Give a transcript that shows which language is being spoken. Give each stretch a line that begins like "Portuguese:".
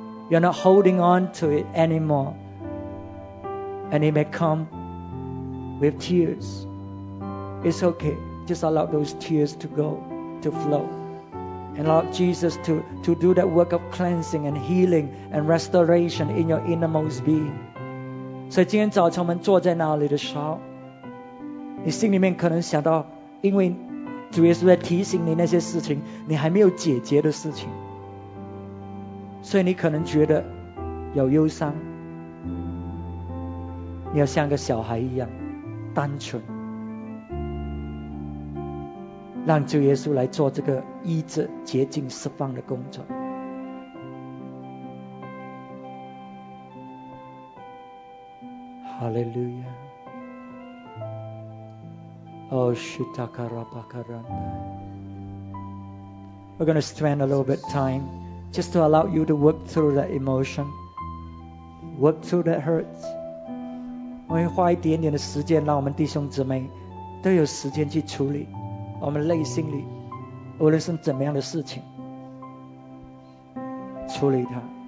English: You're not holding on to it anymore. And it may come with tears. It's okay. Just allow those tears to go, to flow. And allow Jesus to do that work of cleansing and healing and restoration in your innermost being.
Chinese: 所以今天早晨我们坐在那里的时候，你心里面可能想到，因为主耶稣在提醒你那些事情，你还没有解决的事情，所以你可能觉得有忧伤。你要像个小孩一样单纯，让主耶稣来做这个医治、洁净、释放的工作。
English: Hallelujah. Oh, Shitakara Bakaranda. We're going to spend a little bit of time just to allow you to work through that emotion, work through that hurt.
Chinese: 我们花一点点的时间，让我们弟兄姊妹都有时间去处理我们内心里无论是怎么样的事情，处理它。